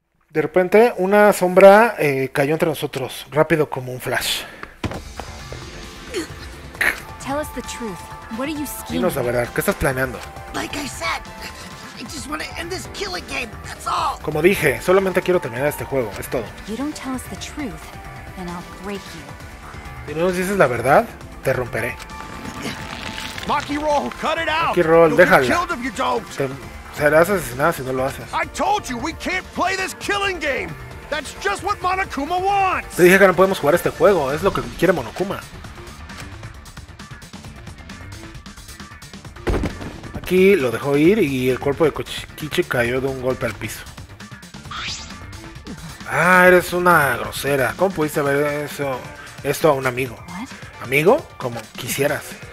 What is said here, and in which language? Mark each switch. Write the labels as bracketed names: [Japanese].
[Spanish] De repente, una sombra cayó entre nosotros, rápido como un flash. [English] Tell us the truth. What are you scheming? [Spanish] Dinos la verdad, ¿qué estás planeando? [English] Like I said, I just want to end this killing game. That's all. [Spanish] Como dije, solamente quiero terminar este juego, es todo. [English] You don't tell us the truth, and I'll break you. [Spanish] Si no nos dices la verdad, te romperé. [English] Maki Roll, cut it out. [Spanish] Maki Roll, déjala. [English] You'll be killed if you don't. [Spanish] Serás asesinada si no lo haces. [English] I told you we can't play this killing game. That's just what Monokuma wants. [Spanish] Te dije que no podemos jugar este juego, es lo que quiere Monokuma. Aquí lo dejó ir y el cuerpo de Kochikichi cayó de un golpe al piso. Ah, eres una grosera. ¿Cómo pudiste ver eso? Esto a un amigo. ¿Amigo? Como quisieras.